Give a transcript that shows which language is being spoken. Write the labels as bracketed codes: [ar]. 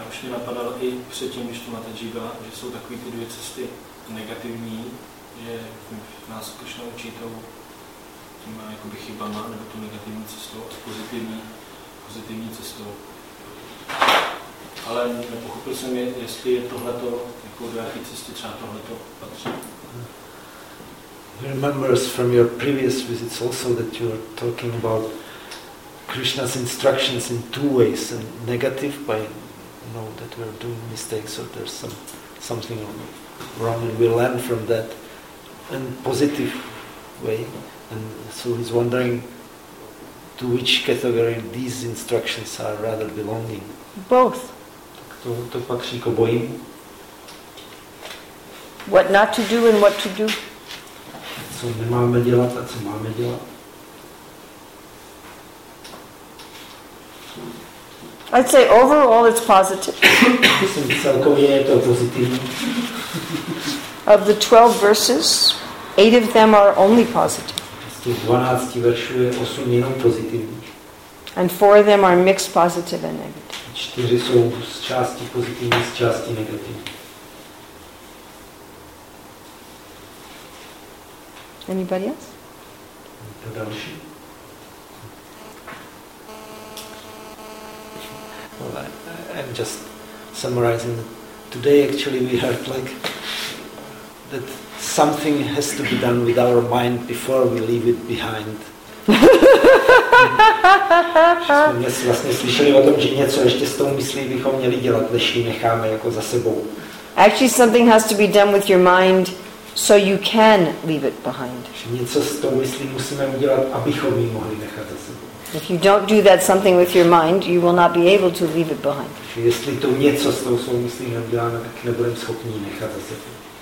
[cs] Napadal i předtím, když tu Mataji byla, že jsou takové ty dvě cesty negativní, že nás Krishna učí tím jakoby chybama, nebo tu negativní cestou, pozitivní cestou. Ale nepochopil jsem, jestli je tohleto, jako do jaké cesty třeba tohleto patří. [en] Remembers from your previous visits also that you were talking about Krishna's instructions in two ways, and negative by know that we are doing mistakes or there's something wrong and we learn from that in positive way. And so he's wondering to which category these instructions are rather belonging? Both. [cs] To patří k obojím. [en] What not to do and what to do? [cs] Co nemáme dělat a co máme dělat? [en] I'd say overall it's positive. [cs] Celkově je to pozitivní. [en] Of the 12 verses, 8 of them are only positive. [cs] Z těch 12 veršů je 8 jenom pozitivních. [en] And 4 of them are mixed positive and negative. [cs] 4 jsou z části pozitivní, z části negativní. [en] Anybody else? [cs] To další. [en] Well, I'm just summarizing. Today, actually, we heard like that something has to be done with our mind before we leave it behind. [cs] Jsme vlastně slyšeli o tom, že něco ještě s tou myslí bychom měli dělat, než ji necháme jako za sebou. [en] Actually, something has to be done with your mind so you can leave it behind. [cs] Něco s tou myslí musíme udělat, abychom ji mohli nechat za sebou. [en] If you don't do that something with your mind, you will not be able to leave it behind. [cs] Jestli to něco s tou svou myslí neuděláme, tak nebudeme schopni nechat za sebou.